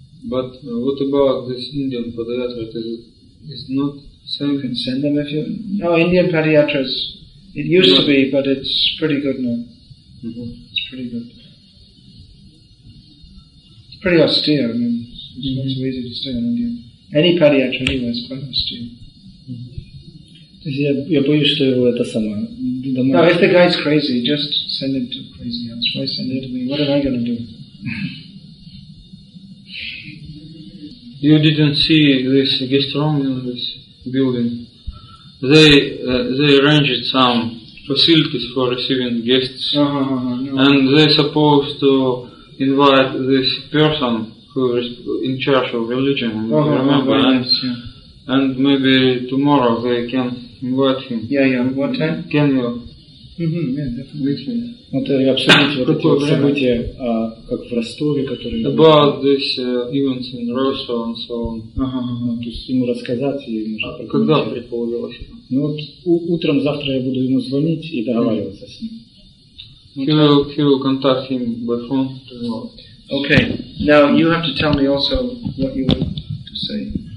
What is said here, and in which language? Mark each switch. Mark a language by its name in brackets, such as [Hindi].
[English] But what about this Indian padyatra? Is not safe? You can send them if you... No, Indian padyatras. It used to be, but it's pretty good now. Mm-hmm. It's pretty good. It's pretty austere. I mean, it's not so easy to stay in India. Any padyatra anyway is quite austere. [Russian] Я боюсь, что его это самое. [English] No, if the guy's crazy, just send him to crazy house. Why send him to me? What am I going to do? You didn't see this guest room in this building. They arranged some facilities for receiving guests. And they supposed to invite this person who is in charge of religion. Remember? And maybe tomorrow they can invite him. Yeah. What time? Can you? Yeah, definitely. About this events in Russia and so on. [Russian] То есть ему рассказать и немножко. Когда предполагалось? Ну вот утром завтра я буду ему звонить и договариваться с ним. [English] He will contact him by phone tomorrow. Okay. Now you have to tell me also what you want to say.